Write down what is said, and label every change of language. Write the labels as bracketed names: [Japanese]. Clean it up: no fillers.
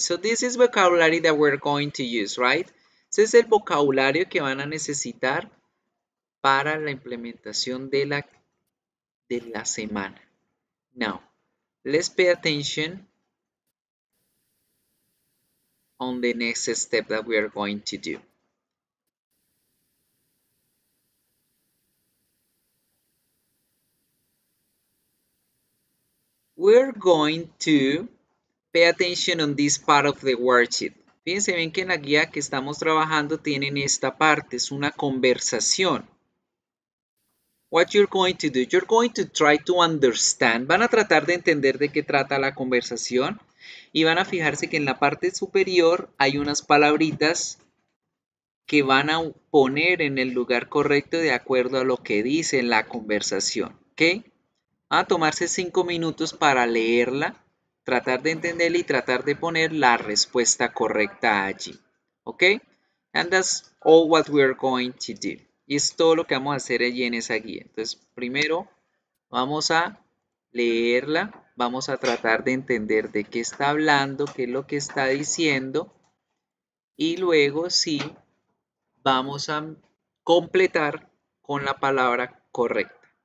[English] So this is vocabulary that we're going to use, right? [Spanish] Ese es el vocabulario que van a necesitar para la implementación de la semana. [English] Now, let's pay attention on the next step that we are going to do. We're going to pay attention on this part of the worksheet. [Spanish] Fíjense bien que en la guía que estamos trabajando tienen esta parte, es una conversación. [English] What you're going to do? You're going to try to understand. [Spanish] Van a tratar de entender de qué trata la conversación. Y van a fijarse que en la parte superior hay unas palabritas que van a poner en el lugar correcto de acuerdo a lo que dice la conversación. ¿Okay? Van a tomarse 5 minutos para leerla. Tratar de entenderle y tratar de poner la respuesta correcta allí. ¿Ok? [English] And that's all what we're going to do. [Spanish] Y es todo lo que vamos a hacer allí en esa guía. Entonces, primero vamos a leerla. Vamos a tratar de entender de qué está hablando, qué es lo que está diciendo. Y luego, sí, vamos a completar con la palabra correcta.